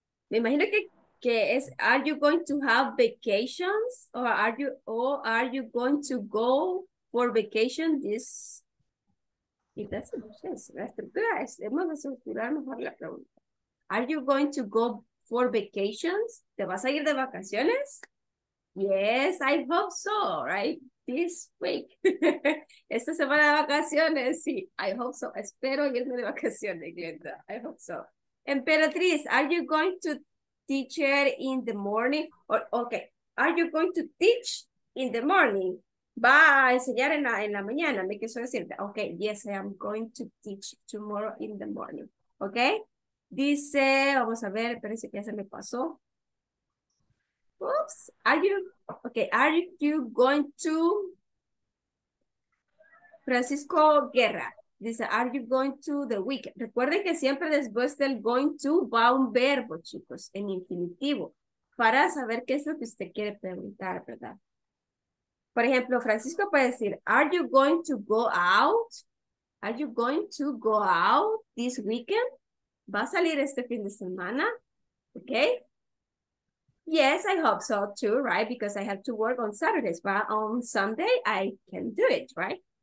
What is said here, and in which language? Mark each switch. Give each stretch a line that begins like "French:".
Spanish: Me imagino que es,
English: are you going to have vacations? Or are you going to go for vacation this...
Spanish: Y la estructura es, debemos estructurar mejor la pregunta.
English: Are you going to go for vacations?
Spanish: ¿Te vas a ir de vacaciones?
English: Yes, I hope so, right? This week.
Spanish: Esta semana de vacaciones, sí.
English: I hope so.
Spanish: Espero irme de vacaciones,
English: Glenda. I hope so. Emperatriz, are you going to teacher in the morning? Or, okay, are you going to teach in the morning?
Spanish: Va a enseñar en la mañana, me quiso decir.
English: Okay, yes, I am going to teach tomorrow in the morning.
Spanish: Okay, dice, vamos a ver, parece que ya se me pasó.
English: Oops, are you going to, Francisco Guerra, dice, are you going to the weekend?
Spanish: Recuerden que siempre después del going to va un verbo, chicos, en infinitivo, para saber qué es lo que usted quiere preguntar, ¿verdad? Por ejemplo, Francisco puede decir,
English: are you going to go out? Are you going to go out this weekend?
Spanish: ¿Va a salir este fin de semana?
English: Okay. Yes, I hope so too, right? Because I have to work on Saturdays, but on Sunday I can do it, right?